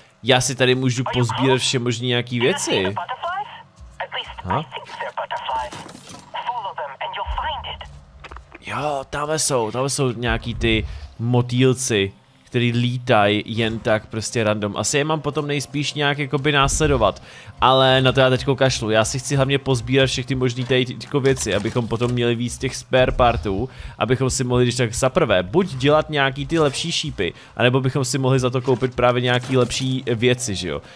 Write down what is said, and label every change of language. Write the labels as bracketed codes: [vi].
[cs] Já si tady můžu pozbírat vše možný nějaký věci. [en] At least I think they're butterflies. Follow them and you'll find it. [cs] Jo, tamhle jsou nějaký ty motýlci, který lítají jen tak prostě random. Asi je mám potom nejspíš nějak jakoby následovat, ale na to já teďko kašlu. Já si chci hlavně pozbírat všechny možné tady tyto věci, abychom potom měli víc těch spare partů, abychom si mohli, když tak zaprvé, buď dělat nějaký ty lepší šípy, anebo bychom si mohli za to koupit právě nějaký lepší věci, že jo.